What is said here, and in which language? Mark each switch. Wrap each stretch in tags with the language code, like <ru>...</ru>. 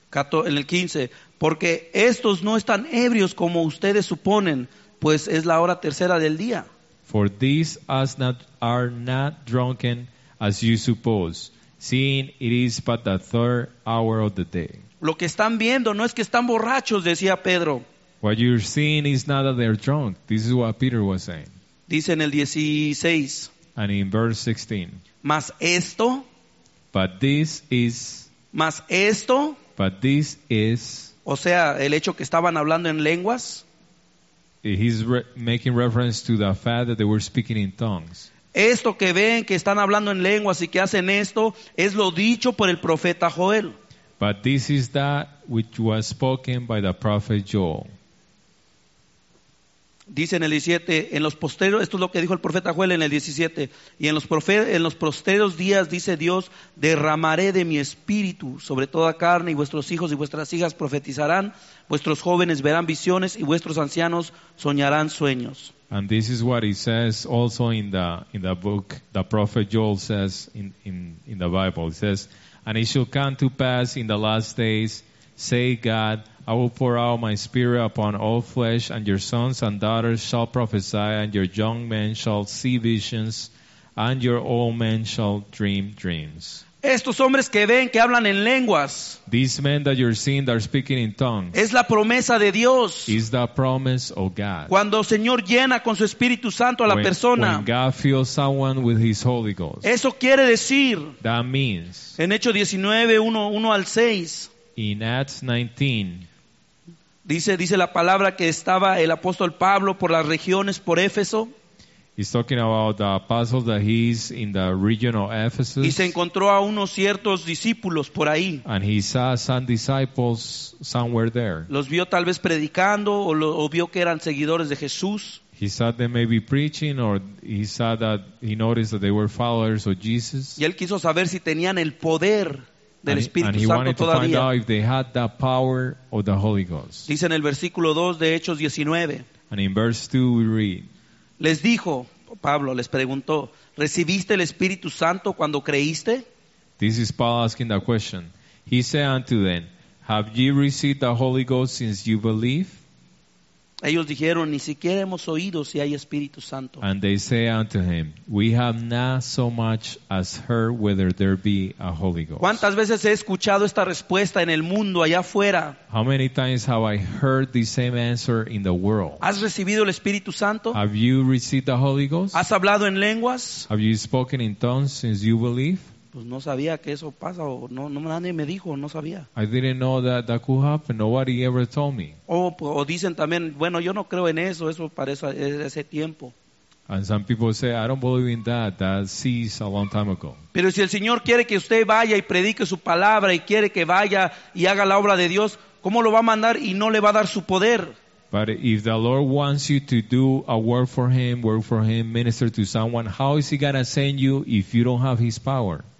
<es>En el 15, porque estos no están ebrios como ustedes suponen, pues es la hora tercera del día.</es> <en>For these are not drunken as you suppose, seeing it is but the third hour of the day.</en> <es>Lo que están viendo no es que están borrachos, decía Pedro.</es> <en>What you're seeing is not that they're drunk. This is what Peter was saying.</en> <es>Dice en el 16.</es> <en>And in verse 16.</en> <es>Mas esto.</es> <en>But this is.</en> <es>Mas esto.</es> <en>But this is.</en> <es>O sea, el hecho que estaban hablando en lenguas.</es> <en>He's making reference to the fact that they were speaking in tongues.</en> <es>Esto que ven que están hablando en lenguas y que hacen esto es lo dicho por el profeta Joel.</es> <en>But this is that which was spoken by the prophet Joel.</en> <es>Dice en el 17, en los posteros, esto es lo que dijo el profeta Joel en el 17, y en los posteros días, dice Dios, derramaré de mi espíritu sobre toda carne, y vuestros hijos y vuestras hijas profetizarán, vuestros jóvenes verán visiones, y vuestros ancianos soñarán sueños.</es> <en>And this is what he says also in the book, the prophet Joel says in the Bible. He says, and it shall come to pass in the last days, say God, I will pour out my spirit upon all flesh, and your sons and daughters shall prophesy, and your young men shall see visions, and your old men shall dream dreams.</en> <es>Estos hombres que ven, que hablan en lenguas.</es> <en>These men that you're seeing that are speaking in tongues.</en> <es>Es la promesa de Dios.</es> <en>Is the promise of God.</en> <es>Cuando el Señor llena con su Espíritu Santo a la persona.</es> <en>When God fills someone with his Holy Ghost.</en> <es>Eso quiere decir.</es> <en>That means.</en> <es>En Hechos 19, 1 al 6.</es> <en>In Acts 19.</en> <es>Dice la palabra que estaba el apóstol Pablo por las regiones, por Éfeso.</es> <en>He's talking about the apostles that he's in the region of Ephesus.</en> <es>Y se encontró a unos ciertos discípulos por ahí.</es> <en>And he saw some disciples somewhere there.</en> <es>Los vio tal vez predicando o vio que eran seguidores de Jesús.</es> <en>He saw them maybe preaching, or he saw that he noticed that they were followers of Jesus.</en> <es>Y él quiso saber si tenían el poder del Espíritu Santo</es> <en>And he wanted to find out if they had the power of the Holy Ghost.</en> <es>Dice en el versículo 2 de Hechos 19.</es> <en>And in verse 2 we read.</en> <es>Les dijo, Pablo les preguntó, ¿recibiste el Espíritu Santo cuando creíste?</es> <en>This is Paul asking the question. He said unto them, have ye received the Holy Ghost since you believe?</en> <es>Ellos dijeron, ni siquiera hemos oído si hay Espíritu Santo.</es> <en>And they say unto him, we have not so much as heard whether there be a Holy Ghost.</en> <es>¿Cuántas veces he escuchado esta respuesta en el mundo allá afuera?</es> <en>How many times have I heard the same answer in the world?</en> <es>¿Has recibido el Espíritu Santo?</es> <en>Have you received the Holy Ghost?</en> <es>¿Has hablado en lenguas?</es> <en>Have you spoken in tongues since you believe?</en> <es>Pues no sabía que eso pasa, o no, nadie me dijo, no sabía.</es> <en>I didn't know that could happen. Nobody ever told me.</en> <es>O dicen también, bueno, yo no creo en eso. Eso para eso es ese tiempo.</es> <en>And some people say, I don't believe in that. That ceased a long time ago.</en> <es>Pero si el Señor quiere que usted vaya y predique su palabra y quiere que vaya y haga la obra de Dios, ¿cómo lo va a mandar y no le va a dar su poder?</es> <en>But if the Lord wants you to do a work for Him, minister to someone, how is He going to send you if you don't have His power?</en>